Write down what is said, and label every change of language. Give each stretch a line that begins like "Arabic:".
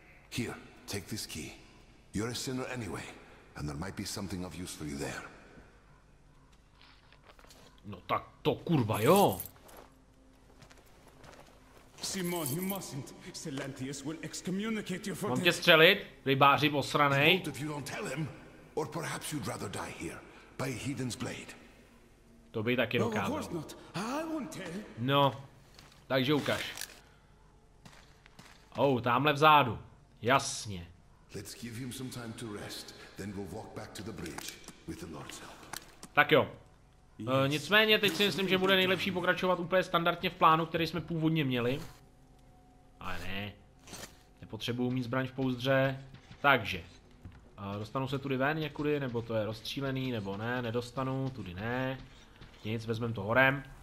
English: Here, take this key. You're a sinner anyway, and there might be something of use for you there.
Czech: No tak to kurva jo.
English: Simon, you mustn't. Celantius will excommunicate you for this.
Czech: Mám tě střelit, rybáři posranej.
English: If you don't tell him. Or perhaps you'd rather die here by a heathen's blade.
Czech: To by taky dokázal.
English: No, I won't tell.
Czech: No, takže ukaž. Tamhle vzadu. Jasně.
English: Let's give him some time to rest, then we'll walk back to the bridge with the Lord's help.
Czech: Tak jo. Nicméně teď si myslím, že bude nejlepší pokračovat úplně standardně v plánu, který jsme původně měli. Ale ne. Nepotřebuju mít zbraň v pouzdře. Takže. Dostanu se tudy ven někudy, nebo to je rozstřílený, nebo ne, nedostanu, tudy ne. Nic, vezmem to horem.